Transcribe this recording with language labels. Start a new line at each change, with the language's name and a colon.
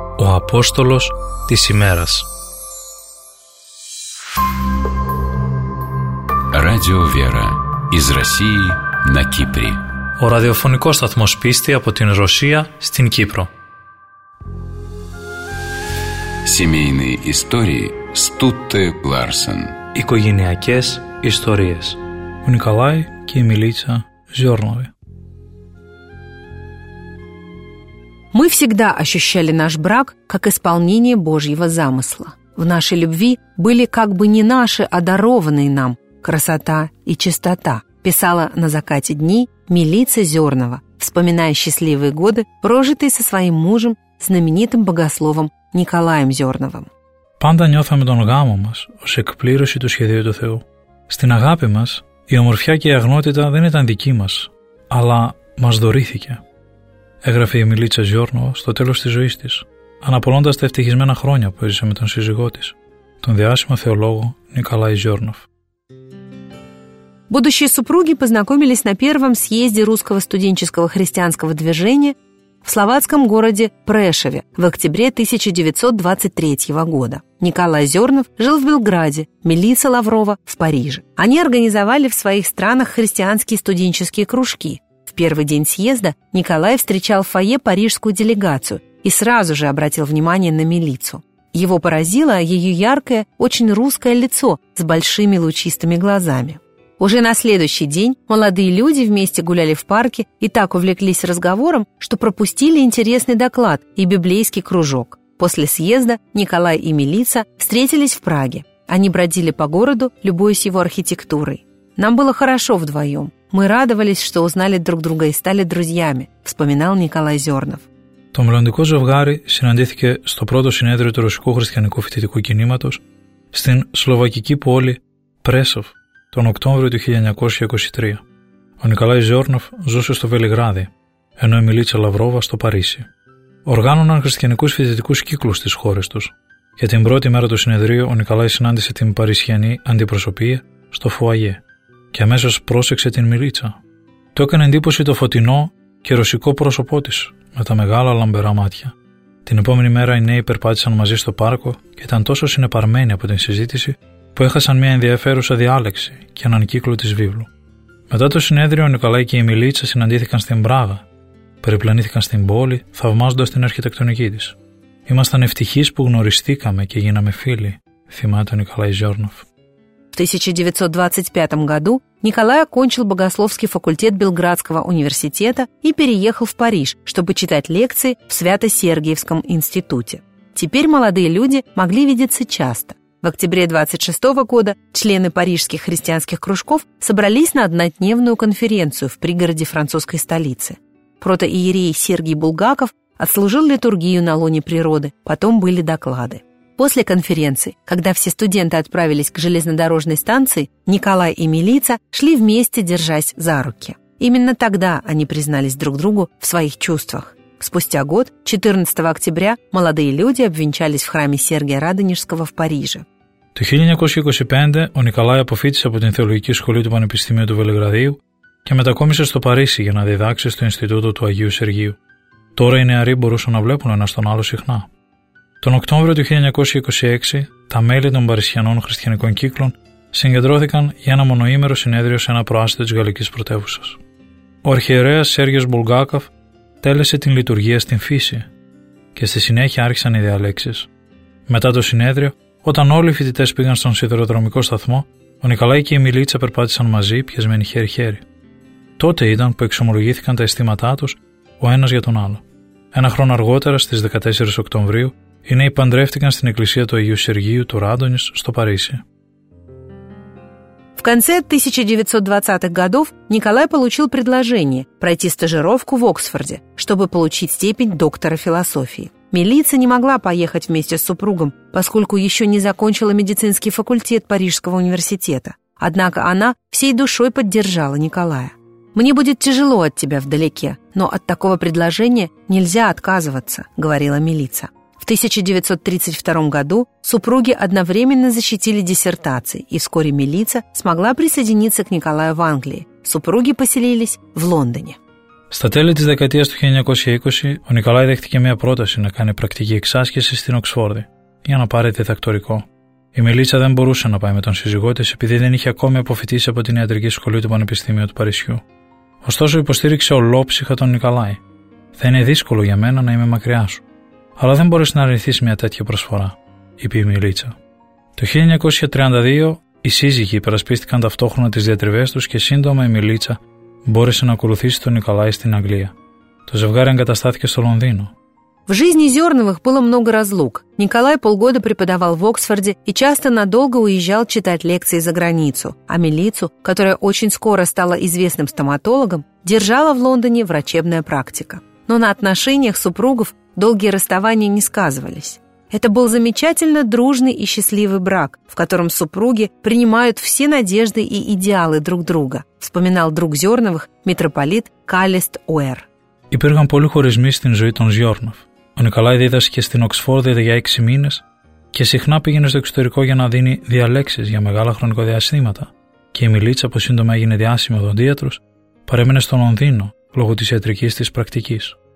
Greek: О апостолос της ημέρας.
Russian: Радио Вера из России на Кипре.
Greek: О радиофонικός σταθμός πίστη από την Ρωσία στην Κύπρο.
Russian: Семейные истории Стутте Ларсен.
Greek: Οικογενειακές ιστορίες. Ο Νικολάη και η Μιλίτσα Ζιόρνοβη.
Russian: Мы всегда ощущали наш брак как исполнение Божьего замысла. В нашей любви были как бы не наши, а дарованные нам красота и чистота, писала на закате дней Милица Зернова, вспоминая счастливые годы, прожитые со своим мужем, знаменитым богословом Николаем Зерновым.
Greek: Панда нёфаме тон гамо мас, ως εκπλήρωση του σχεδίου του Θεού. Στην αγάπη μας, Η ομορφιά και η αγνότητα δεν ήταν δική μας, αλλά μας δωρήθηκε. Έγραφε η Μιλίτσα Ζιόρνο στο τέλος της ζωής της, αναπολώντας τα ευτυχισμένα χρόνια που έζησε με τον σύζυγό της, τον διάσημο θεολόγο Νικολάη Ζιόρνοφ.
Russian: Будущие супруги познакомились на первом съезде русского студенческого христианского движения в словацком городе Прешеве в октябре 1923 года. Николай Зернов жил в Белграде, Мелисса Лаврова – в Париже. Они организовали в своих странах христианские студенческие кружки. В первый день съезда Николай встречал в фойе парижскую делегацию и сразу же обратил внимание на Мелиссу. Его поразило ее яркое, очень русское лицо с большими лучистыми глазами. Уже на следующий день молодые люди вместе гуляли в парке и так увлеклись разговором, что пропустили интересный доклад и библейский кружок. После съезда Николай и Мелисса встретились в Праге. Они бродили по городу, любуясь его архитектурой. «Нам было хорошо вдвоем. Мы радовались, что узнали друг друга и стали друзьями», – вспоминал Николай Зернов.
Greek: Το μελλοντικό ζευγάρι συναντήθηκε στο πρώτο συνέδριο του Ρωσικού Χριστιανικού Φοιτητικού Κινήματος στην σλοβακική πόλη Πρέσοβ. Τον Οκτώβριο του 1923. Ο Νικολάη Ζιόρνοφ ζούσε στο Βελιγράδι, ενώ η Μιλίτσα Λαυρόβα στο Παρίσι. Οργάνωναν χριστιανικούς φοιτητικούς κύκλους στις χώρες τους. Για την πρώτη μέρα του συνεδρίου, ο Νικολάη συνάντησε την Παρισιανή αντιπροσωπεία στο Φουαγέ και αμέσως πρόσεξε την Μιλίτσα. Του έκανε εντύπωση το φωτεινό και ρωσικό πρόσωπό της, με τα μεγάλα λαμπερά μάτια. Την επόμενη μέρα οι νέοι περπάτησαν μαζί στο πάρκο και ήταν τόσο συνεπαρμένοι από την συζήτηση. Που έχασαν μια ενδιαφέρουσα διάλεξη και έναν κύκλο της βίβλου. Μετά το συνέδριο, ο Νικολάη και η Μιλίτσα συναντήθηκαν στην Πράγα, περιπλανήθηκαν στην πόλη, θαυμάζοντας την αρχιτεκτονική της. «Ήμασταν ευτυχείς που γνωριστήκαμε και γίναμε φίλοι», θυμάται ο Νικολάη Ζιόρνοφ.
Russian: В 1925 году Николай окончил богословский факультет Белградского университета и переехал в Париж, чтобы читать лекции в Свято-Сергиевском институте. Теперь молодые люди могли видеться часто. В октябре 26 года члены парижских христианских кружков собрались на однодневную конференцию в пригороде французской столицы. Протоиерей Сергий Булгаков отслужил литургию на лоне природы, потом были доклады. После конференции, когда все студенты отправились к железнодорожной станции, Николай и Мелисса шли вместе, держась за руки. Именно тогда они признались друг другу в своих чувствах. Спустя год, 14 октября, молодые люди обвенчались в храме Сергия Радонежского в Париже.
Greek: Το 1925 ο Νικολάη αποφύτησε από την Θεολογική Σχολή του Πανεπιστημίου του Βελιγραδίου και μετακόμισε στο Παρίσι για να διδάξει στο Ινστιτούτο του Αγίου Σεργίου. Τώρα οι νεαροί μπορούσαν να βλέπουν ένα τον άλλο συχνά. Τον Οκτώβριο του 1926, τα μέλη των Παρισιανών Χριστιανικών Κύκλων συγκεντρώθηκαν για ένα μονοήμερο συνέδριο σε ένα προάστιο της Γαλλικής Πρωτεύουσας. Ο αρχιερέας Σέργιος Μπουλγάκοφ τέλεσε την λειτουργία στην φύση και στη συνέχεια άρχισαν οι διαλέξεις. Μετά το συνέδριο, όταν όλοι οι φοιτητές πήγαν στον σιδηροδρομικό σταθμό, ο Νικολάη και η Μιλίτσα περπάτησαν μαζί, πιασμένοι χέρι-χέρι. Τότε ήταν που εξομολογήθηκαν τα αισθήματά τους ο ένας για τον άλλο. Ένα χρόνο αργότερα, στις 14 Οκτωβρίου, οι νέοι παντρεύτηκαν στην εκκλησία του Αγίου Σεργίου του Ράντονης στο Παρίσι.
Russian: В конце 1920-х годов Николай получил предложение пройти стажировку в Оксфорде, чтобы получить степень доктора философии. Мелисса не могла поехать вместе с супругом, поскольку еще не закончила медицинский факультет Парижского университета. Однако она всей душой поддержала Николая. «Мне будет тяжело от тебя вдалеке, но от такого предложения нельзя отказываться», — говорила Мелисса. В 1932 году супруги одновременно защитили диссертации, и вскоре Мелисса смогла присоединиться к Николаю в Англии. Супруги поселились в Лондоне.
Greek: Στα τέλη της δεκαετίας του 1920, ο Νικολάη δέχτηκε μια πρόταση να κάνει πρακτική εξάσκηση στην Οξφόρδη για να πάρει διδακτορικό. Η Μιλίτσα δεν μπορούσε να πάει με τον σύζυγό της επειδή δεν είχε ακόμη αποφοιτήσει από την Ιατρική Σχολή του Πανεπιστημίου του Παρισιού. Ωστόσο, υποστήριξε ολόψυχα τον Νικολάη. «Θα είναι δύσκολο για μένα να είμαι μακριά σου. Αλλά δεν μπορείς να αρνηθείς μια τέτοια προσφορά», είπε η Μιλίτσα. Το 1932 οι σύζυγοι υπερασπίστηκαν ταυτόχρονα τις διατριβές τους και σύντομα η Μιλίτσα μπόρεσε να ακολουθήσει τον Νικολάη στην Αγγλία. Το ζευγάρι εγκαταστάθηκε στο Λονδίνο.
Russian: В жизни Зерновых было много разлук. Николай полгода преподавал в Оксфорде и часто надолго уезжал читать лекции за границу, а Мелиссу, которая очень скоро стала известным стоматологом, держала в Лондоне врачебная практика. Но на отношениях супругов долгие расставания не сказывались. Это был замечательно дружный и счастливый брак, в котором супруги принимают все надежды и идеалы друг друга, вспоминал друг Зерновых митрополит Каллист Уэр.
Greek: Υπήρχαν πολλοί χωρισμοί στην ζωή των Ζιόρνοφ. Ο Νικολάη δίδασκε στην Οξφόρδη για 6 μήνες και συχνά πήγαινε στο εξωτερικό για να δίνει διαλέξεις για μεγάλα χρονικά διαστήματα. Και η Μιλίτσα, που σύντομα έγινε διάσημη οδοντίατρος, παρέμεινε στο Λονδίνο λόγω της ιατρικής της πρακτικής.